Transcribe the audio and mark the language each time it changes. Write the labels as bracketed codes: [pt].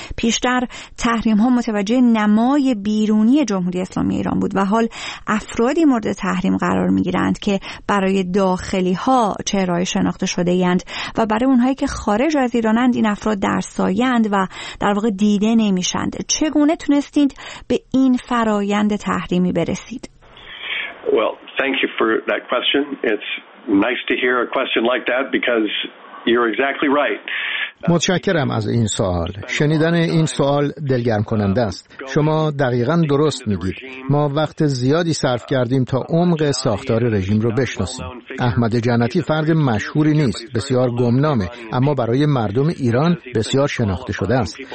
[fa] پیشتر تحریم ها متوجه نمای بیرونی جمهوری اسلامی ایران بود و حال افرادی مورد تحریم قرار میگیرند که برای داخلی ها چهرهای شناخته شده اند و برای اونهایی که خارج از ایرانند این افراد در سایه اند و در واقع دیده نمیشند. چگونه تونستید به این فرآیند تحریمی برسید؟ [en] Well, thank you for that question. It's nice to hear a question like that because you're exactly right. [fa] متشکرم از این سوال. شنیدن این سوال دلگرم کننده است. شما دقیقاً درست میگید. ما وقت زیادی صرف کردیم تا عمق ساختار رژیم رو بشناسیم. احمد جنتی فرد مشهوری نیست، بسیار گمنامه، اما برای مردم ایران بسیار شناخته شده است.